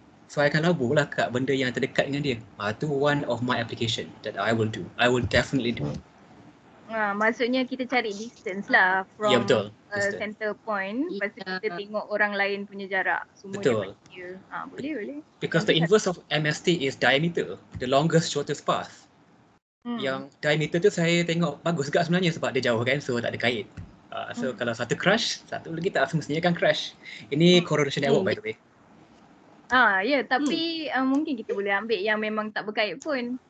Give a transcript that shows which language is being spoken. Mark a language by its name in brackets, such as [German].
[Malay] So I akan labur lah kat benda yang terdekat dengan dia. Itu [English] one of my application that I will do. I will definitely do. [Malay] Maksudnya kita cari distance lah [English] from center point. [Malay] Lepas kita tengok orang lain punya jarak. Semua betul. Boleh. [English] Because the inverse of MST is diameter. The longest shortest path. [Malay] Yang diameter tu saya tengok bagus juga sebenarnya sebab dia jauh kan. So tak ada kait. So kalau satu crash, satu lagi tak semestinya kan crash. Ini correlation network [English] by the way. [Malay] Tapi mungkin kita boleh ambil yang memang tak berkait pun.